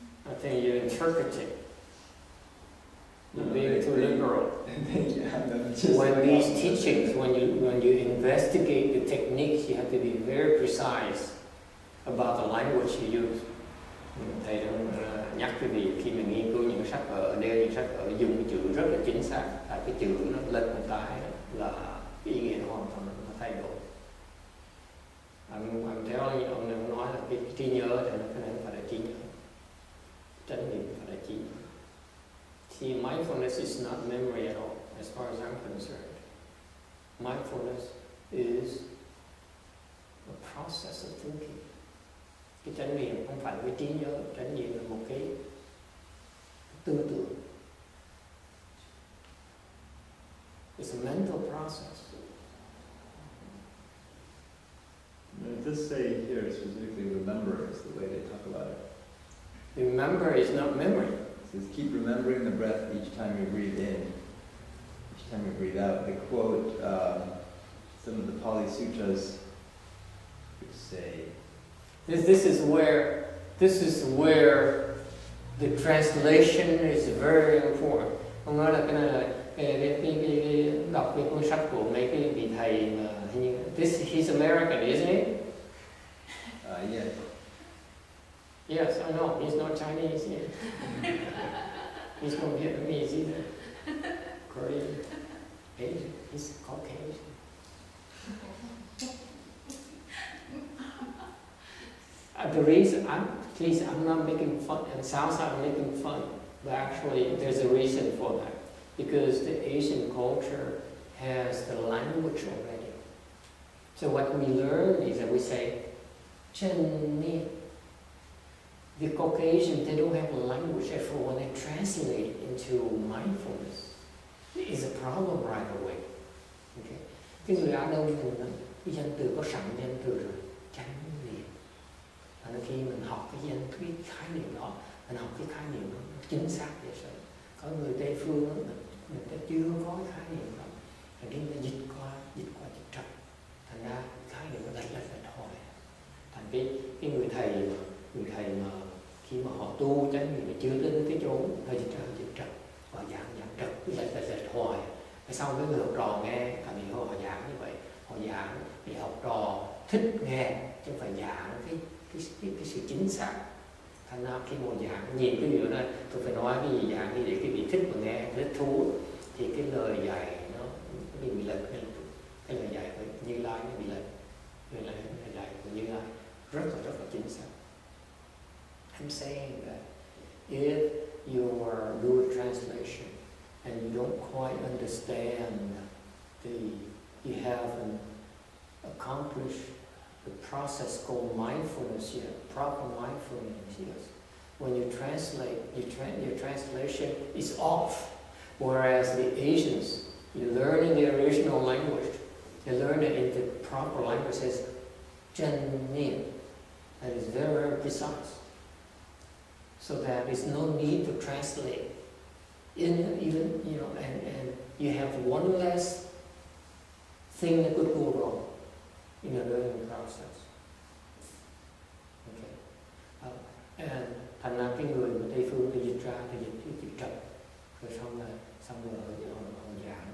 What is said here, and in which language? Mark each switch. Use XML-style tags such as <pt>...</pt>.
<en>I think you're interpreting. Being too liberal. When you investigate the techniques, you have to be very precise about the language you use.</en> <vi>Thầy đã nhắc quý vị khi mình nghiên cứu những sách ở đây, những sách ở dùng chữ rất là chính xác, tại cái chữ nó lên một cái là ý nghĩa hoàn toàn nó thay đổi. Anh theo như ông đang nói là cái trí nhớ thì nó phải là trí nhớ, chánh niệm phải là trí nhớ.</vi> <en>See, mindfulness is not memory at all, as far as I'm concerned. Mindfulness is a process of thinking.</en> <vi>Cái chánh niệm không phải là trí nhớ, chánh niệm là một cái tư tưởng.</vi> <en>It's a mental process. It does say here specifically, remember is the way they talk about it. Remember is not memory. Is keep remembering the breath each time you breathe in, each time you breathe out. They quote some of the Pali Sutras, which say, This is where the translation is very important.</en> <vi>Nói là cái này là cái đọc cái cuốn sách của mấy cái vị thầy mà hình như</vi> <en>this he's American, isn't he? Yes. Yes, I know, he's not Chinese yet. He's from Vietnamese either. Korean. Asian. He's Caucasian. The reason, I'm not making fun, and sounds like I'm making fun, but actually there's a reason for that. Because the Asian culture has the language already. So what we learn is that we say, Chinese, the Caucasian, they don't have a language for when they translate into mindfulness. It is a problem right away. Okay?</en> <vi>Cái người Á Đông thì cái danh từ có sẵn danh từ rồi, chánh niệm. Và nó khi mình học cái danh cái khái niệm đó, mình học cái khái niệm đó chính xác vậy sao? Có người Tây phương đó, người ta chưa có cái khái niệm đó, thành ra người ta dịch qua dịch trật. Thành ra khái niệm nó đánh là phải thôi. Thành cái người thầy mà khi mà họ tu chánh niệm mà chưa đến cái chỗ thầy dịch trật và giảng trật như vậy phải thôi. Sau cái người học trò nghe tại vì họ giảng như vậy, họ giảng thì học trò thích nghe chứ không phải giảng cái sự chính xác. Thành ra khi mà giảng nhìn cái điều này tôi phải nói cái gì giảng để cái vị thích mà nghe thích thú thì cái lời dạy nó bị lệch, cái lời dạy của Như Lai nó bị lệch, lời dạy của Như Lai rất là chính xác.</vi> <en>I'm saying that if you are doing translation and you don't quite understand the, you haven't accomplished the process called mindfulness yet, proper mindfulness, yes. When you translate, your translation is off. Whereas the Asians, you learn in the original language, you learn it in the proper language, says chân niệm. That is very, very precise. So there is no need to translate. In even you know, and you have one less thing that could go wrong in your learning process. Okay, and</en> <vi>thành ra cái người mà Tây phương thì dịch ra thì dịch trật, rồi xong rồi họ giảng.</vi>